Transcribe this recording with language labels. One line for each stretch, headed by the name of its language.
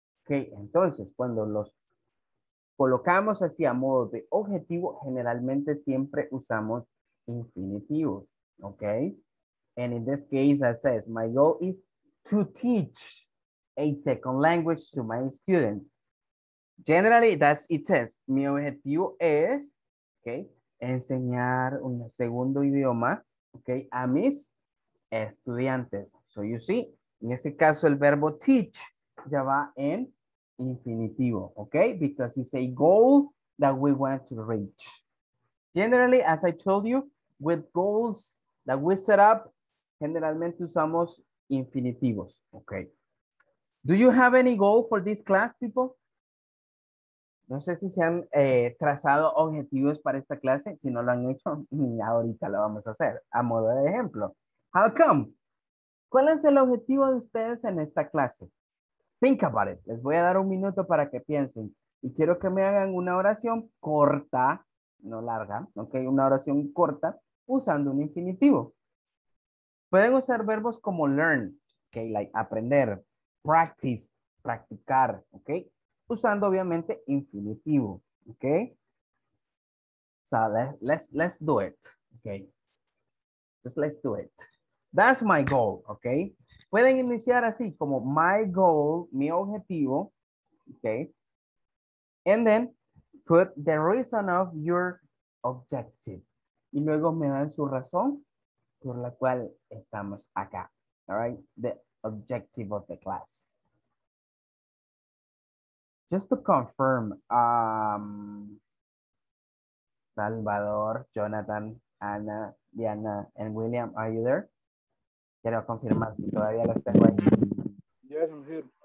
Spanish: Okay, entonces, cuando los colocamos así a modo de objetivo, generalmente siempre usamos infinitivo, okay?
English: And in this case, it says, my goal is to teach a second language to my student. Generally, that's it says,
Spanish: mi objetivo es, okay, enseñar un segundo idioma, okay, a mis estudiantes.
English: So you see,
Spanish: En ese caso, el verbo teach ya va en infinitivo, ¿ok?
English: Because it's a goal that we want to reach. Generally, as I told you, with goals that we set up,
Spanish: generalmente usamos infinitivos,
English: ¿ok? Do you have any goal for this class, people?
Spanish: No sé si se han trazado objetivos para esta clase. Si no lo han hecho, ahorita lo vamos a hacer. A modo de ejemplo.
English: How come?
Spanish: ¿Cuál es el objetivo de ustedes en esta clase?
English: Think about it.
Spanish: Les voy a dar un minuto para que piensen. Y quiero que me hagan una oración corta, no larga. Okay, una oración corta usando un infinitivo. Pueden usar verbos como learn, okay, like aprender, practice, practicar, ¿ok? Usando obviamente infinitivo,
English: ¿ok? So let's do it, ¿ok? Just let's do it. That's my goal, ¿ok?
Spanish: Pueden iniciar así como my goal, mi objetivo, ¿ok?
English: And then put the reason of your objective.
Spanish: Y luego me dan su razón por la cual estamos acá, ¿all right?
English: The objective of the class. Just to confirm, Salvador, Jonathan, Ana, Diana, and William, are you there?
Spanish: Quiero confirmar si todavía los tengo ahí.
English: Yes, I'm here.